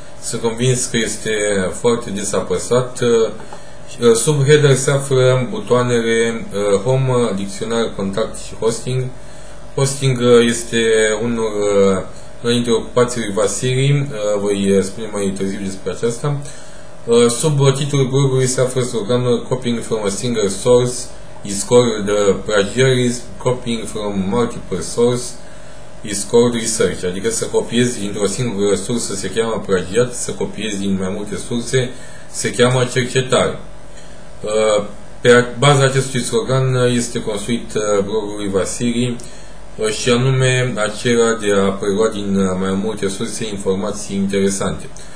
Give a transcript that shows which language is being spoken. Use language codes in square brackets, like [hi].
[ro] Sunt convins că este foarte des apăsat. Sub header se află butoanele Home, Dicționar, Contact și Hosting. Hosting este unul înainte ocupațiilor Vasilii, voi spune mai târziu despre aceasta. Sub titlul blogului se află sloganul [en] Copying from a single source is called the plagiarism, copying from multiple source is called research. [ro] Adică să copiezi dintr-o singură sursă se cheamă plagiat, să copiezi din mai multe surse se cheamă cercetare. Pe baza acestui slogan este construit blogului Vasilii, și anume acela de a prelua din mai multe surse informații interesante.